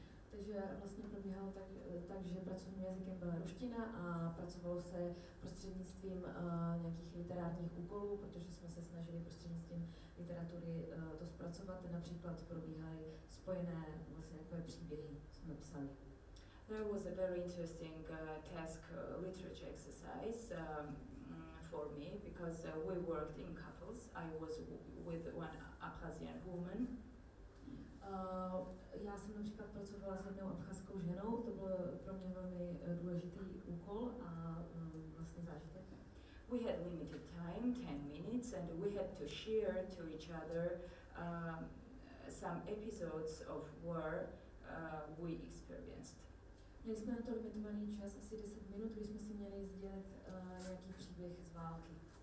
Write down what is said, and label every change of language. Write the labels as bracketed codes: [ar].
[cs] Takže vlastně probíhalo tak, že pracovním jazykem byla ruština a pracovalo se prostřednictvím nějakých literárních úkolů, protože jsme se snažili prostřednictvím literatury to zpracovat. Například probíhaly spojené vlastně takové příběhy, jsme psali. [en] There was a very interesting task literature exercise for me, because we worked in couples. I was with one Abkhazian woman. [cs] Já jsem například pracovala s jednou abcházskou ženou, to byl pro mě velmi důležitý úkol a vlastně zážitek. [en] We had limited time, 10 minutes, and we had to share to each other some episodes of war we experienced. [cs] Měli jsme na to limitovaný čas, asi 10 minut, když jsme si měli sdělit nějaký příběh z války.